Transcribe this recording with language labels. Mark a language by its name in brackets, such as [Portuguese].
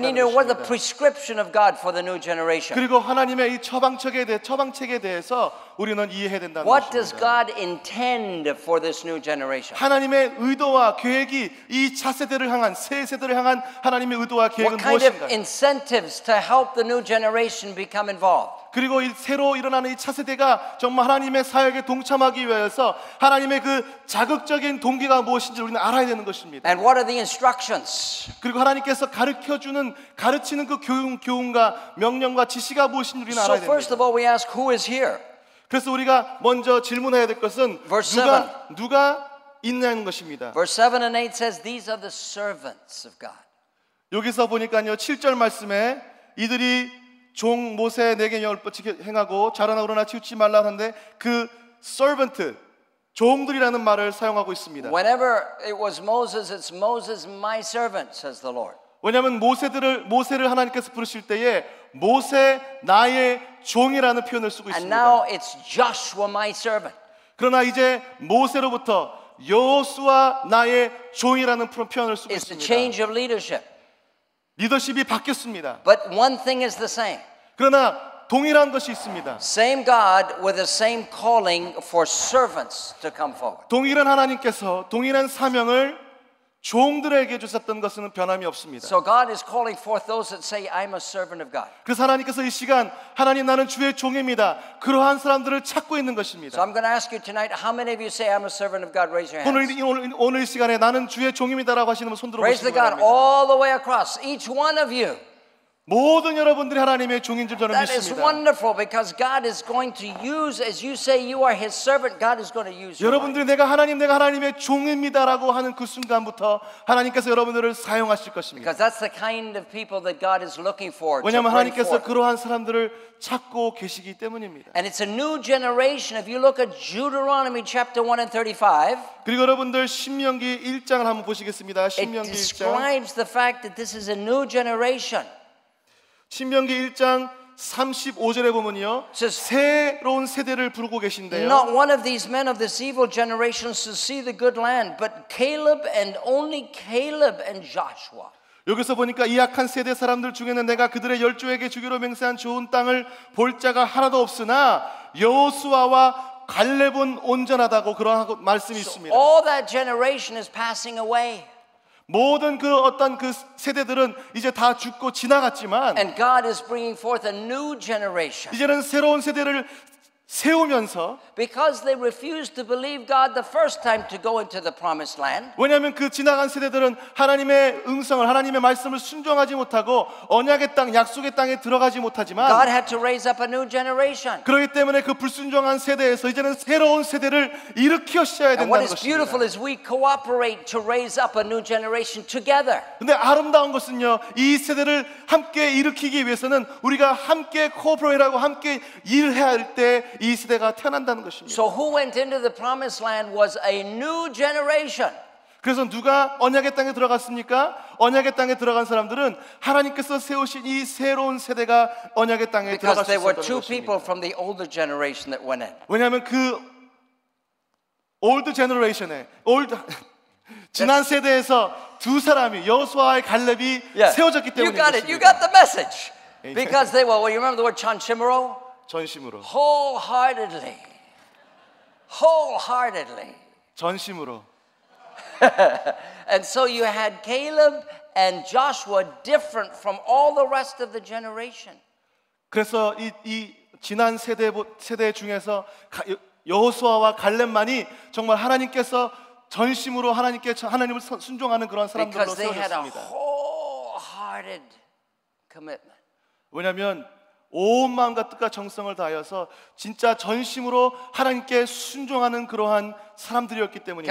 [Korean] 것입니다. [English] And we need to know what the prescription of God for the new generation. [Korean] 그리고 하나님의 이 처방책에 대해 우리는 이해해야 된다는 [English] what What does God intend for this new generation? [Korean] 하나님의 의도와 계획이 이 차세대를 향한 새 세대를 향한 하나님의 의도와 계획은 무엇인가? [English] What kind of incentives to help the new generation become involved? [Korean] 그리고 이 새로 일어나는 이 차세대가 정말 하나님의 사역에 동참하기 위해서 하나님의 그 자극적인 동기가 무엇인지 우리는 알아야 되는 것입니다. [English] And what are the instructions? [Korean] 그리고 하나님께서 가르치는 그 교훈과 명령과 지시가 무엇인지 우리는 알아야 됩니다. [English] So first of all, we ask who is here. [Korean] 그래서 우리가 먼저 질문해야 될 것은 누가 있냐는 것입니다. [English] Verse 7 and 8 says these are the servants of God. [Korean] 여기서 보니까요, 7절 말씀에 이들이 종 모세 내게 열받치게 행하고 자라나 그러나 치우치지 말라 하는데 그 servant 종들이라는 말을 사용하고 있습니다. [English] Whenever it was Moses, it's Moses, my servant, says the Lord. [Korean] 왜냐하면 모세를 하나님께서 부르실 때에 모세 나의 종이라는 표현을 쓰고 있습니다. [English] And now it's Joshua, my servant. [Korean] 그러나 이제 모세로부터 여호수아 나의 종이라는 표현을 쓰고 [English] it's [Korean] 있습니다. [English] It's a change of leadership. [Korean] 리더십이 바뀌었습니다. [English] But one thing is the same. [Korean] 그러나 동일한 것이 있습니다. [English] Same God with the same calling for servants to come forward. [Korean] 동일한 하나님께서 동일한 사명을 종들에게 주셨던 것은 변함이 없습니다. [English] So God is calling forth those that say, "I'm a servant of God." [Korean] 그래서 하나님께서 이 시간 하나님 나는 주의 종입니다. 그러한 사람들을 찾고 있는 것입니다. [English] So I'm going to ask you tonight, how many of you say, "I'm a servant of God"? Raise your hands. [Korean] 오늘 이 시간에 나는 주의 종입니다라고 하시는 분 손 들어 보시기 바랍니다. [English] Raise the God all the way across, each one of you. [Korean] 모든 여러분들이 하나님의 종인 줄 저는 믿습니다. [English] That is wonderful because God is going to use, as you say, you are His servant. God is going to use you. [Korean] 여러분들이 내가 하나님의 종입니다라고 하는 그 순간부터 하나님께서 여러분들을 사용하실 것입니다. [English] Because that's the kind of people that God is looking for. [Korean] 왜냐하면 하나님께서 그러한 사람들을 찾고 계시기 때문입니다. [English] And it's a new generation. If you look at Deuteronomy chapter 1 and 35. [Korean] 그리고 여러분들 신명기 1장을 한번 보시겠습니다. 신명기 1장. [English] It describes the fact that this is a new generation. [Korean] 신명기 1장 35절에 보면요 새로운 세대를 부르고 계신데요 [English] Not one of these men of this evil generation shall see the good land but Caleb and only Caleb and Joshua [Korean] 여기서 보니까 이 약한 세대 사람들 중에는 내가 그들의 열조에게 주기로 맹세한 좋은 땅을 볼 자가 하나도 없으나 여호수아와 갈렙은 온전하다고 그런 말씀이 있습니다 [English] All that generation is passing away [Korean] 모든 그 어떤 그 세대들은 이제 다 죽고 지나갔지만 [English] And God is bringing forth a new generation. [Korean] 이제는 새로운 세대를 세우면서 [English] Because they refused to believe God the first time to go into the promised land. [Korean] 왜냐하면 그 지나간 세대들은 하나님의 음성을 하나님의 말씀을 순종하지 못하고 언약의 땅 약속의 땅에 들어가지 못하지만 [English] God had to raise up a new generation. [Korean] 그렇기 때문에 그 불순종한 세대에서 이제는 새로운 세대를 일으켜 셔야 된다는 것입니다. [English] And what is beautiful is we cooperate to raise up a new generation together. [Korean] 근데 아름다운 것은요 이 세대를 함께 일으키기 위해서는 우리가 함께 코퍼레이트하고 함께 일해야 할 때 이 세대가 태어난다는 것입니다. [English] So who went into the promised land was a new generation. [Korean] 그래서 누가 언약의 땅에 들어갔습니까? 언약의 땅에 들어간 사람들은 하나님께서 세우신 이 새로운 세대가 언약의 땅에 들어갔습니다. [English] Because there were two people from the older generation that went in. [Korean] 왜냐하면 그 올드 제너레이션에 지난 세대에서 두 사람이 여호수아와 갈렙이 yeah. 세워졌기 때문에 [English] You got [Korean] 것입니다. [English] It. You got the message. Because they were well, you remember the word chanchimero? [Korean] 전심으로 [English] wholeheartedly wholeheartedly [Korean] 전심으로 [English] And so you had Caleb and Joshua different from all the rest of the generation. [Korean] 그래서 이 지난 세대 중에서 여호수아와 갈렙만이 정말 하나님께서 전심으로 하나님을 순종하는 그런 사람들로 세워졌습니다. [English] Because they had a wholehearted commitment. [Korean] 왜냐면 온 마음과 뜻과 정성을 다하여서 진짜 전심으로 하나님께 순종하는 그러한 사람들이었기 때문입니다.